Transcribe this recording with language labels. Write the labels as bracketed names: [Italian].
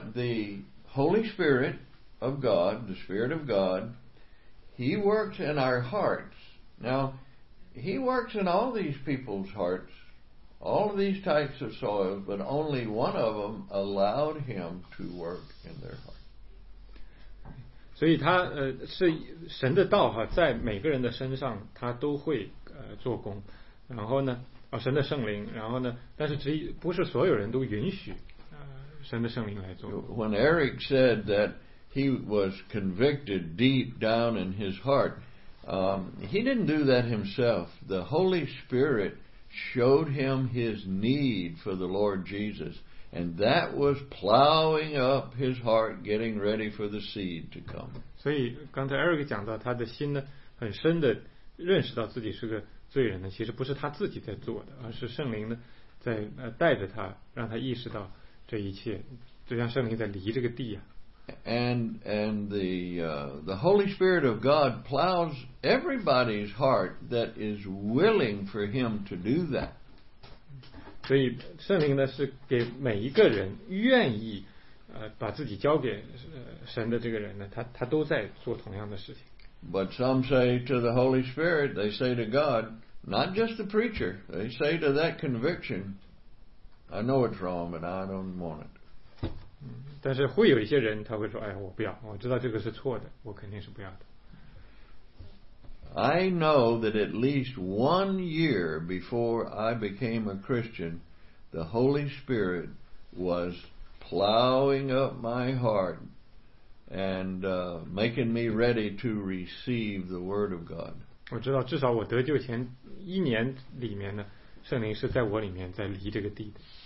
[English] But the Holy Spirit of God, the Spirit of God, He works in our hearts. Now. He works in all these people's hearts, all of these types of soil, but only one of them allowed him to work in their heart. [Chinese] 所以他是神的道哈，在每个人的身上他都会做工，然后呢，神的圣灵，然后呢，但是只不是所有人都允许神的圣灵来做工。 [English] When Eric said that he was convicted deep down in his heart. He didn't do that himself. The Holy Spirit showed him his need for the Lord Jesus, and that was plowing up his heart, getting ready for the seed to come. [Chinese] 所以刚才 Eric 讲到他的心呢，很深的认识到自己是个罪人呢，其实不是他自己在做的，而是圣灵呢在带着他，让他意识到这一切，就像圣灵在犁这个地啊。 [English] And the Holy Spirit of God plows everybody's heart that is willing for Him to do that. [Chinese] 所以圣灵呢是给每一个人愿意把自己交给神的这个人呢，他都在做同样的事情。 [English] But some say to the Holy Spirit, they say to God, not just the preacher, they say to that conviction, I know it's wrong, but I don't want it. [Chinese] 但是会有一些人他会说，哎，我不要，我知道这个是错的，我肯定是不要的。 [English] I know that at least 1 year before I became a Christian, the Holy Spirit was plowing up my heart and making me ready to receive the Word of God. [Chinese] 我知道至少我得救前一年里面呢，圣灵是在我里面在犁这个地的。